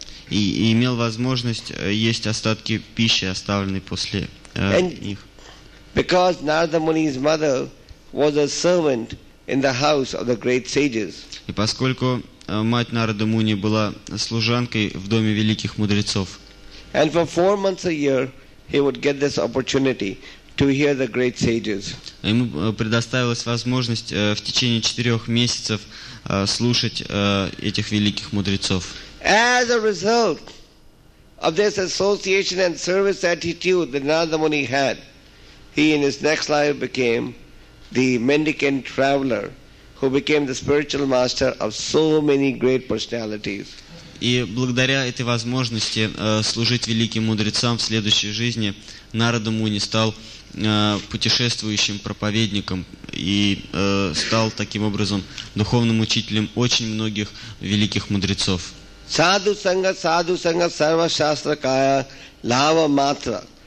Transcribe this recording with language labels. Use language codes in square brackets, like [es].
[ru] И имел возможность есть остатки пищи, оставленной после них. [en] Because Narada Muni's mother was a servant in the house of the great sages. [ru] И поскольку мать Нарада Муни была служанкой в доме великих мудрецов. [en] And for 4 months a year, he would get this opportunity to hear the great sages. [ru] Ему предоставилась возможность в течение 4 месяцев слушать этих великих мудрецов. [en] As a result of this association and service attitude that Narada Muni had, he in his next life became the mendicant traveler who became the spiritual master of so many great personalities. [ru] И благодаря этой возможности служить великим мудрецам в следующей жизни, Нарада Муни стал путешествующим проповедником и стал таким образом духовным учителем очень многих великих мудрецов. [sa] Саду санга сарва шастра кая лава матра.